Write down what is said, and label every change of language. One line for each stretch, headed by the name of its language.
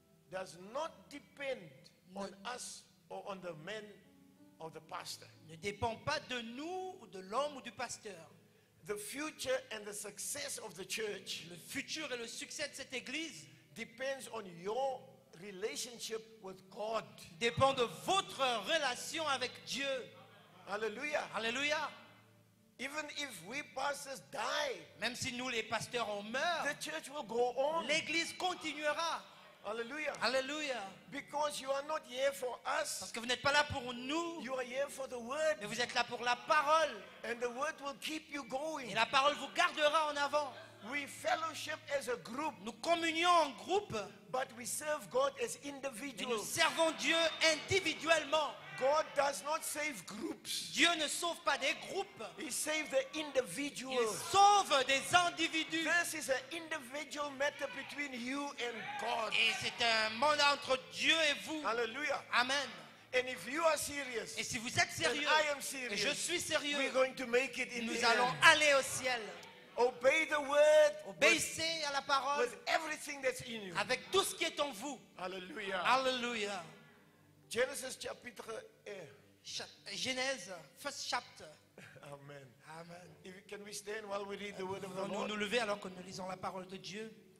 English: Does not depend on us or on the men of the pastor.
French: Ne dépend pas de nous ou de l'homme ou du pasteur.
English: The future and the success of the church.
French: Le futur et le succès de cette église
English: depends on your relationship with God.
French: Dépend de votre relation avec Dieu.
English: Alléluia.
French: Alléluia.
English: Even if we pastors die,
French: même si nous les pasteurs on meurt,
English: the church will go on.
French: L'église continuera.
English: Alléluia.
French: Alléluia.
English: Because you are not here for us.
French: Parce que vous n'êtes pas là pour nous.
English: You are here for the word.
French: Mais vous êtes là pour la parole.
English: And the word will keep you going.
French: Et la parole vous gardera en avant.
English: We fellowship as a group.
French: Nous communions en groupe.
English: But we serve God as individuals.
French: Mais nous servons Dieu individuellement.
English: God does not save groups.
French: Dieu ne sauve pas des groupes.
English: He saves the individuals.
French: Il sauve des individus.
English: This is an individual matter between you and God.
French: Et c'est un monde entre Dieu et vous.
English: Hallelujah.
French: Amen.
English: And if you are serious,
French: et si vous êtes sérieux,
English: then I am serious.
French: Et je suis sérieux,
English: we're going to make it in
French: nous
English: the
French: allons
English: end.
French: Aller au ciel.
English: Obey the word.
French: Obéissez à la parole.
English: With everything that's in you.
French: Avec tout ce qui est en vous.
English: Hallelujah.
French: Hallelujah.
English: Genesis chapter 1. Genèse, first chapter. Amen.
French: Amen.
English: If, can we stand while we read the word of the Lord?
French: Nous nous lever alors que nous lisons la parole de Dieu.